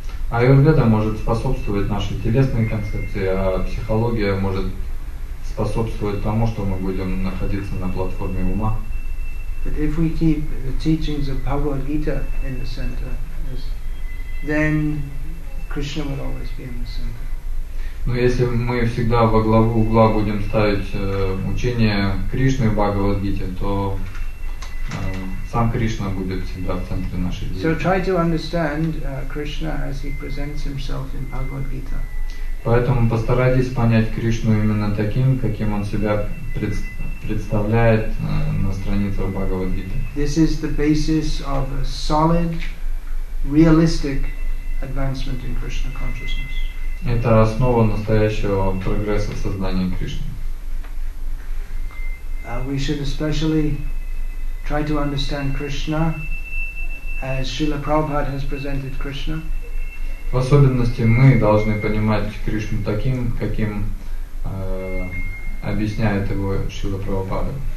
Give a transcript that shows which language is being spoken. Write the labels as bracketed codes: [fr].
[ru] Аюрведа может способствовать нашей телесной концепции, а психология может способствовать тому, что мы будем находиться на платформе ума. [en] But if we keep the teachings of Bhagavad Gita in the center, then Krishna will always be in the center. [ru] Но если мы всегда во главу угла будем ставить учение Кришны в Бхагавад-гите, то сам Кришна будет всегда в центре нашей деятельности. [en] So try to understand Krishna as he presents himself in Bhagavad-gita. [ru] Поэтому постарайтесь понять Кришну именно таким, каким он себя представляет на страницах Бхагавад-гиты. [en] This is the basis of a solid, realistic advancement in Krishna consciousness. [ru] Это основа настоящего прогресса в сознании Кришны. [en] We should especially try to understand Krishna as Srila Prabhupada has presented Krishna. [ru] В особенности мы должны понимать Кришну таким, каким объясняет его Шрила Прабхупада.